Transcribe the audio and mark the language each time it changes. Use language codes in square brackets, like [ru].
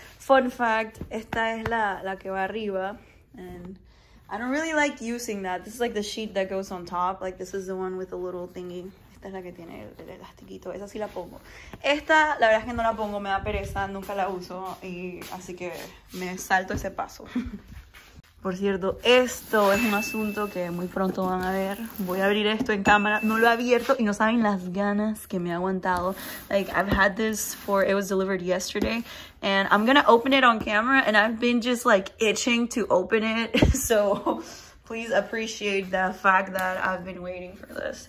[en] Fun fact, [es] esta es la que va arriba. [en] And I don't really like using that. This is like the sheet that goes on top. Like this is the one with the little thingy. [es] Esta es la que tiene el elastiquito. Esa sí la pongo. Esta, la verdad es que no la pongo. Me da pereza, nunca la uso. Y así que me salto ese paso. Por cierto, esto es un asunto que muy pronto van a ver. Voy a abrir esto en cámara. No lo he abierto y no saben las ganas que me ha aguantado. [en] Like, I've had this for, it was delivered yesterday. And I'm gonna open it on camera. And I've been just like itching to open it. So, please appreciate the fact that I've been waiting for this.